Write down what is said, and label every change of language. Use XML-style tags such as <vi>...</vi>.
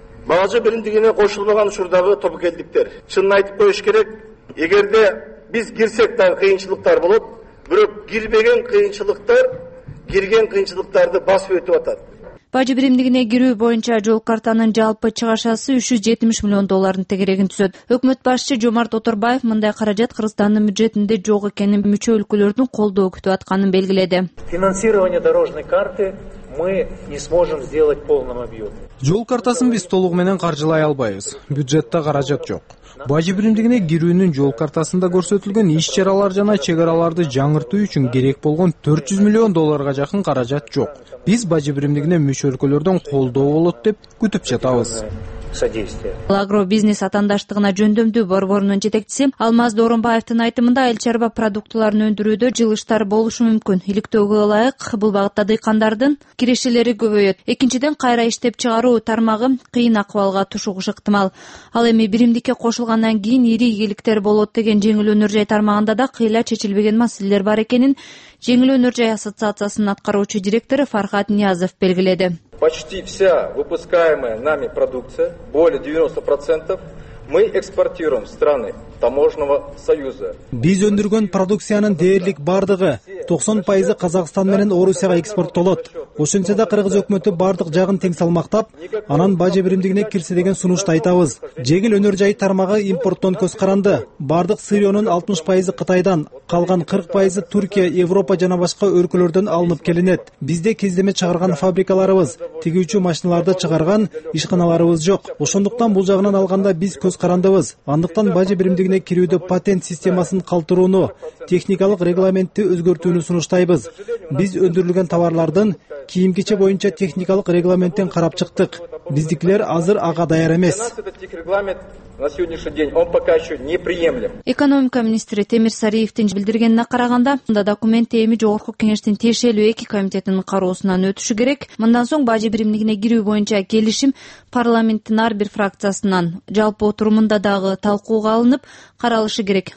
<ky>Бажы биримдигине кошулбаган учурдагы тобокелдиктер. Чынын айтып коюш керек, эгерде биз кирсек дагы кыйынчылыктар болот, бирок кирбеген кыйынчылыктар кирген кыйынчылыктарды басып өтүп атат. Бажы биримдигине кирүү боюнча жол картанын жалпы чыгашасы 370 миллион доллардын тегерегин түзөт. Өкмөт башчы Жомарт Оторбаев мындай каражат Кыргызстандын бюджетинде жок экенин, мүчө өлкөлөрдүн колдоо күтүп атканын белгиледи.</ky> <ru>Финансирование дорожной карты мы не сможем сделать полным объёмом.</ru> <ky>Жол картасын биз толугу менен каржылай албайбыз. Бюджетте каражат жок. Бажы биримдигине кирүүнүн жол картасында көрсөтүлгөн иш-чаралар жана чек араларды жаңыртуу үчүн керек болгон 400 миллион долларга жакын каражат жок. Биз бажы биримдигине мүчө өлкөлөрдөн колдоо болот деп күтүп жатабыз.</ky> <ru>содействия.</ru> <ky>Агробизнес атандаштыгына жөндөмдүү борборунун жетекчиси Алмаз Доорунбаевдин айтымында эл чарба продуктуларын өндүрүүдө жылыштар болушу мүмкүн. Иликтөөгө ылайык, бул багытта дыйкандардын кирешелери көбөйөт. Экинчиден, кайра иштеп чыгаруу тармагы кыйын акыбалга тушугушу ыктымал. Ал эми биримдикке кошулгандан кийин ири ийгиликтер болот деген жеңил өнөр жай тармагында да кыйла чечилбеген маселелер бар экенин жеңил өнөр жай ассоциациясынын аткаруучу директору Фархат Ниязов белгиледи.</ky> <ru>Почти вся выпускаемая нами продукция, более 90%, мы экспортируем в страны таможенного союза.</ru> <ky>Биз өндүргөн продукциянын дээрлик бардыгы 90% Казакстан менен Орусияга экспортолот. Ошентсе да кыргыз өкмөтү бардык жагын тең салмактап, анан баж биримдигине кирсе деген сунушту айтабыз. Жеңил өнөр жай тармагы импорттон көз каранды. Бардык сырьонун 60% Кытайдан, калган 40% Түркия, Европа жана башка өлкөлөрдөн алынып келинет. Бизде кездеме чыгарган фабрикаларыбыз, тигүүчү машиналарды чыгарган ишканаларыбыз жок. Ошондуктан бул жагынан алганда биз көз карандыбыз. Андыктан баж биримдигине кирүүдө патент системасын калтырууну, техникалык регламентти өзгөртүүнү сунуштайбыз. Биз өндүрүлгөн товарлардын кийим кече боюнча техникалык регламенттен карап чыктык. Биздикилер азыр ага даяр эмес.</ky> <ru>На сегодняшний день он пока еще не приемлем.</ru> <ky>Экономика министри Темир Сариевтин билдиргенине караганда, мындай документ эми Жогорку Кеңештин тиешелүү эки комитетинин кароосунан өтүшү керек. Мындан соң баж биримдигине кирүү боюнча келишим парламенттин ар бир фракциясынан жалпы отурумунда дагы талкууга алынып каралышы керек.</ky>